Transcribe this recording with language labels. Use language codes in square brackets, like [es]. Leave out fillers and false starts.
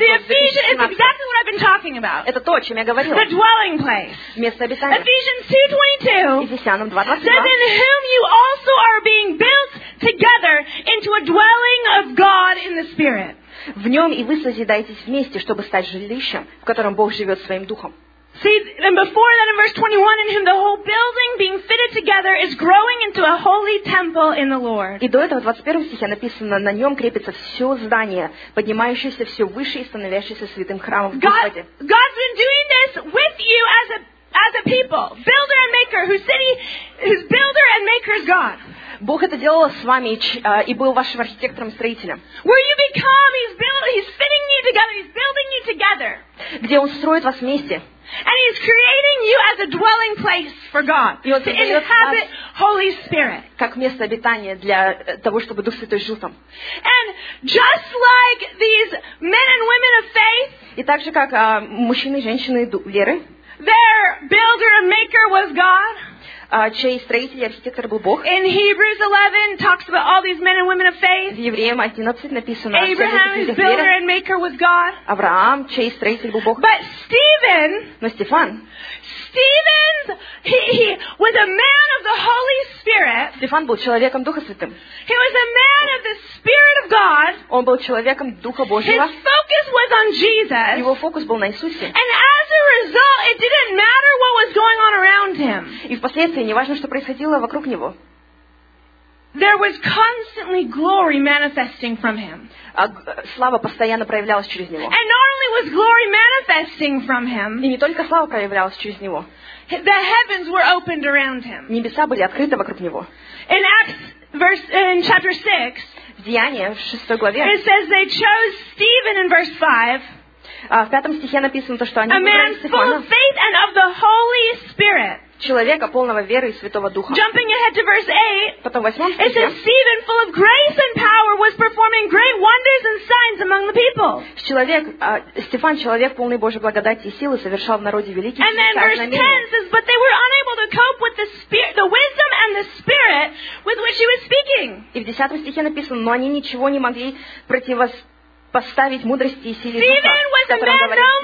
[en] Ephesians is exactly what I've been talking about. [ru] Это то, о чем я говорила. [en] The dwelling place. [ru] Место обитания. [en] Ephesians 2:22. [ru] Ефесянам 2:22. [en] Says in whom you also are being built together into a dwelling of God in the Spirit. [ru] В нем и вы созидаетесь вместе, чтобы стать жилищем, в котором Бог живет своим духом. [en] See, and before that in verse 21, in whom the whole building being fitted together is growing into a holy temple in the Lord. [ru] И до этого в 21 стихе написано, на нем крепится все здание, поднимающееся все выше и становящееся святым храмом в Господе. [en] God's been doing this with you as a people, builder and maker, whose builder and maker is God. [ru] Бог это делал с вами и был вашим архитектором и строителем. [en] Where you become, he's fitting you together, he's building you together. [ru] Где он строит вас вместе. [en] And he's creating you as a dwelling place for God. [ru] И он создает [en] to inhabit Holy Spirit. [ru] Как место обитания для того, чтобы Дух Святой жил там. [en] And just like these men and women of faith, [ru] и так же, как мужчины и женщины веры, [en] they're builder and maker was God. [ru] Чей строитель и архитектор был Бог. [en] In Hebrews 11 talks about all these men and women of faith. [ru] В Евреям 11 написано. [en] Abraham, whose builder and maker was God. [ru] Авраам, чей строитель был Бог. [en] But Stephen. [ru] Но Стефан. [en] Stephen, he was a man of the Holy Spirit. [ru] Стефан был человеком Духа Святым. [en] He was a man of the Spirit of God. [ru] Он был человеком Духа Божьего. [en] His focus was on Jesus. [ru] Его фокус был на Иисусе. [en] And as a result, it didn't matter what was going on around him. [ru] И впоследствии не важно, что происходило вокруг него. [en] There was constantly glory manifesting from him. [ru] Слава постоянно проявлялась через него. [en] And not only was glory manifesting from him. [ru] И не только слава проявлялась через него. [en] The heavens were opened around him. [ru] Небеса были открыты вокруг него. [en] In Acts verse in chapter 6. [ru] В Деяния в 6 главе. [en] It says they chose Stephen in verse 5. [ru] В 5 стихе написано то, что они выбрали Стефана. [en] A man full of faith and of the Holy Spirit. [ru] Человека полного веры и Святого Духа. [en] Jumping ahead to verse 8. [ru] Потом 8 стихе. [en] It says Stephen, full of grace and power, was performing great wonders and signs among the people. [ru] Стефан, человек полный Божьей благодати и силы, совершал в народе великие чудеса. [en] And then verse 10 says, but they were unable to cope with the wisdom and the spirit with which he was speaking. [ru] И в 10 стихе написано, но они ничего не могли противостоять. Поставить мудрости и силе Духа, которым говорит Стефан.